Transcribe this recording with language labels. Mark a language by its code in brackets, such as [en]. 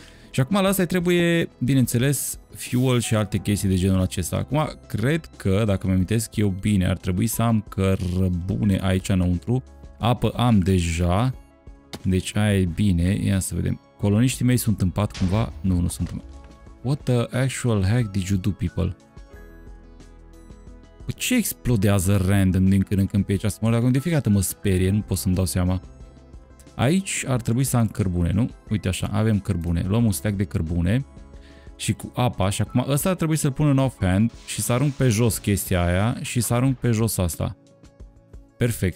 [ro] Și acum la asta trebuie, bineînțeles, fuel și alte chestii de genul acesta. Acum, cred că, dacă mă amintesc eu bine, ar trebui să am cărbune aici înăuntru. Apă am deja, deci aia e bine. Ia să vedem. Coloniștii mei sunt în pat cumva? Nu, nu sunt în pat. [en] What the actual heck did you do, people? [ro] Ce explodează random din când în când pe aici? Asta mă rog, de fiecare dată mă sperie, nu pot să-mi dau seama. Aici ar trebui să am cărbune, nu? Uite așa, avem cărbune. Luăm un stack de cărbune și cu apa și acum ăsta ar trebui să-l pun în offhand și să arunc pe jos chestia aia și să arunc pe jos asta. Perfect.